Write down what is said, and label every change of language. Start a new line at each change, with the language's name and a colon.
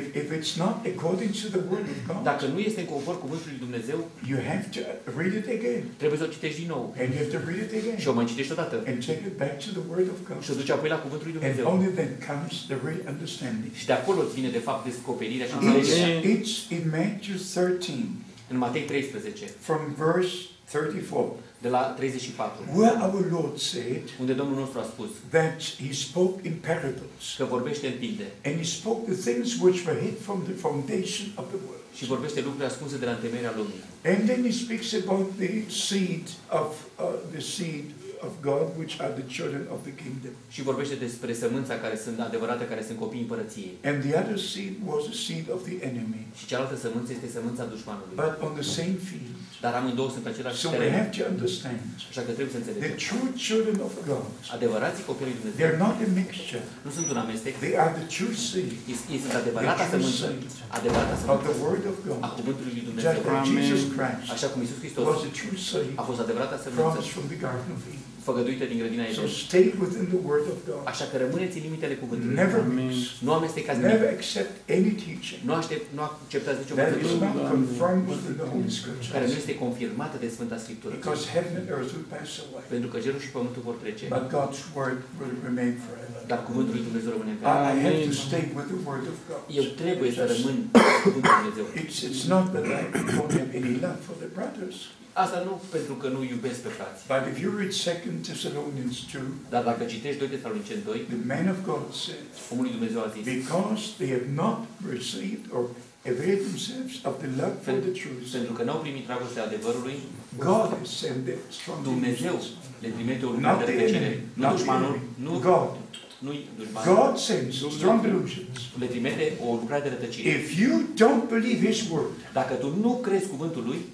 English: If it's not according to the word of God.
Romanian: Dacă nu este în conform cuvântului lui Dumnezeu.
English: You have to read it again.
Romanian: Trebuie să o citești din nou.
English: And you have to read it again.
Romanian: Și o mai citești o dată.
English: And take it back to the word of God.
Romanian: Și o duci apoi la cuvântul lui Dumnezeu.
English: And only then comes the real understanding.
Romanian: Și de acolo vine de fapt
English: It's in Matthew 13.
Romanian: În Matei 13.
English: From verse 34.
Romanian: De la 34.
English: Where our Lord said.
Romanian: Unde Domnul nostru a spus.
English: That he spoke in parables.
Romanian: Că vorbește în pilde.
English: And he spoke the things which were hid from the foundation of the world.
Romanian: Și vorbește lucrurile ascunse de la întemeierea lumii.
English: And then he speaks about the seed of God which are the children of the kingdom.
Romanian: Și vorbește despre sămânța care sunt adevărate, care sunt copiii împărăției.
English: And the other seed was the seed of the enemy.
Romanian: Și cealaltă sămânță este sămânța dușmanului.
English: But on the same field.
Romanian: Dar amândouă sunt pe același teren.
English: So we have to understand.
Romanian: Așa că trebuie să înțelegem.
English: The true children of God.
Romanian: Adevărații copii ai lui Dumnezeu.
English: They're not a mixture.
Romanian: Nu sunt un amestec.
English: They are the true seed.
Romanian: Ei sunt adevărata sămânță. Adevărata sămânță.
English: Of the word of God.
Romanian: A cuvântului lui Dumnezeu.
English: Jesus Christ.
Romanian: Așa cum Iisus Hristos a fost adevărata sămânță. Făgăduită din grădina Eden.
English: So stay within the word of God.
Romanian: Așa că rămâneți în limitele cuvântului.
English: Never mix.
Romanian: Nu amestecați nimic.
English: Never accept any teaching.
Romanian: Nu acceptați nicio învățătură.
English: That is not confirmed with the Holy Scriptures.
Romanian: Care nu este confirmată de Sfânta Scriptură.
English: Because heaven and earth will pass away.
Romanian: Pentru că cerul și pământul vor trece.
English: But God's word will remain forever.
Romanian: Dar cuvântul lui Dumnezeu rămâne în veac.
English: I have to stay with the word of God.
Romanian: Eu trebuie să rămân cu cuvântul lui Dumnezeu.
English: It's not that I don't have any love for the brothers.
Romanian: Asta nu pentru că nu iubesc pe frați.
English: But if you read 2 Thessalonians 2,
Romanian: dar dacă citești 2 Tesaloniceni 2,
English: the man of God said,
Romanian: omul lui Dumnezeu a zis,
English: because they have not received or availed themselves of the love for the truth,
Romanian: pentru că n-au primit dragostea adevărului,
English: God has sent them from
Romanian: Dumnezeu le trimite o lumină de pe cine? Nu dușmanul, nu
English: God. God sends strong delusions.
Romanian: Le trimite o lucrare de rătăcire.
English: If you don't believe His word,
Romanian: dacă tu nu crezi cuvântul lui,